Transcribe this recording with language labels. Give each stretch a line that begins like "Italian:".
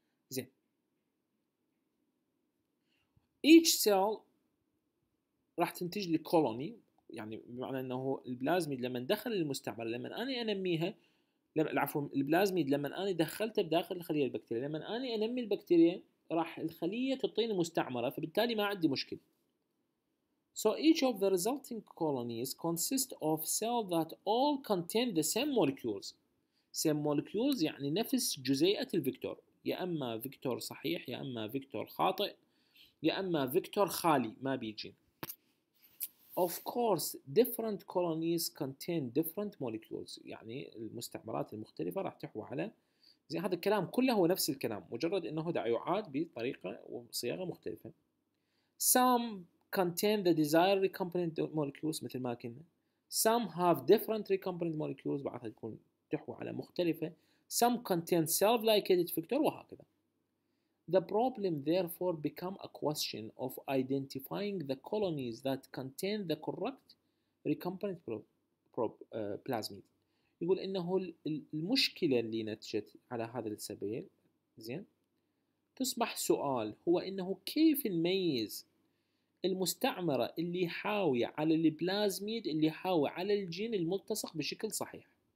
Arabic: زين،
English: each cell
Arabic: راح تنتج لي كولوني، يعني بمعنى انه البلازميد لما دخل المستعمره، لما انا انميها، العفو البلازميد لما انا دخلته بداخل الخليه البكتيريه، لما انا انمي البكتيريا راح الخليه تعطيني مستعمره، فبالتالي ما عندي مشكله.
English: So each of the resulting colonies consist of cells that all contain the same molecules. Same molecules
Arabic: يعني نفس جزيئة الفيكتور، يا أما فيكتور صحيح يا أما فيكتور خاطئ يا أما فيكتور خالي ما بيجين.
English: Of course different colonies contain different molecules،
Arabic: يعني المستعمرات المختلفة راح تحوى على، زين، هذا الكلام كله هو نفس الكلام، مجرد أنه دا يعاد بطريقة وصياغة مختلفة.
English: Some contain the desired recombinant molecules
Arabic: مثل ما كنا.
English: Some have different recombinant molecules،
Arabic: بعضها تكون تحوى على مختلفة.
English: Some contain self-ligated factor
Arabic: وهكذا.
English: The problem therefore become a question of identifying the colonies that contain the correct recombinant plasmid.
Arabic: يقول إنه المشكلة اللي نتجت على هذا السبيل، زين، تصبح سؤال هو إنه كيف نميز المستعمرة اللي حاوية على البلازميد اللي حاوية على الجين الملتصق بشكل صحيح.